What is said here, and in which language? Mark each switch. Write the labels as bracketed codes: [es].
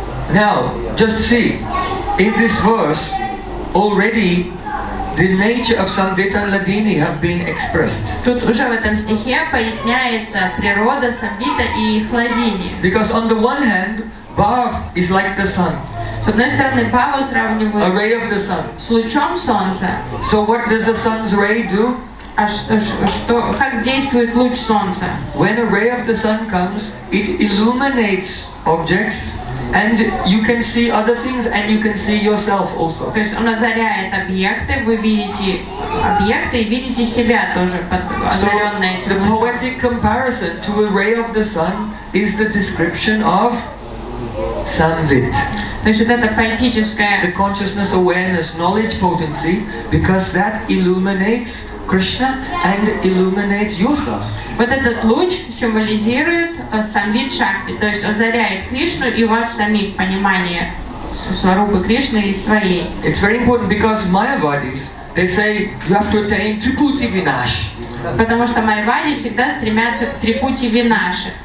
[en] Now, just see, in this verse, already the nature of Samvita and Ladini have been expressed. [ru] Тут уже в этом стихе поясняется природа Самвита и Хладини. [en] Because on the one hand, Bhav is like the sun. [ru] С одной стороны, Бхава сравнивают. [en] A ray of the sun. [ru] С лучом солнца. [en] So what does the sun's ray do? [ru] А что, как действует луч солнца? [en] When a ray of the sun comes, it illuminates objects, and you can see other things, and you can see yourself also. [ru] То есть он озаряет объекты, вы видите объекты и видите себя тоже озаренные. [en] So the poetic comparison to a ray of the sun is the description of Samvit. [ru] То есть вот это поэтическое. [en] The consciousness, awareness, knowledge, potency, because that illuminates Krishna and illuminates yourself. [ru] Вот этот луч символизирует самвит шакти, то есть озаряет Кришну и вас самих, понимание сварупы Кришны и своей. [en] It's very important because Mayavadis, they say you have to attain Triputi Vinash. [ru] Потому что Майявади всегда стремятся к Трипути Винаше.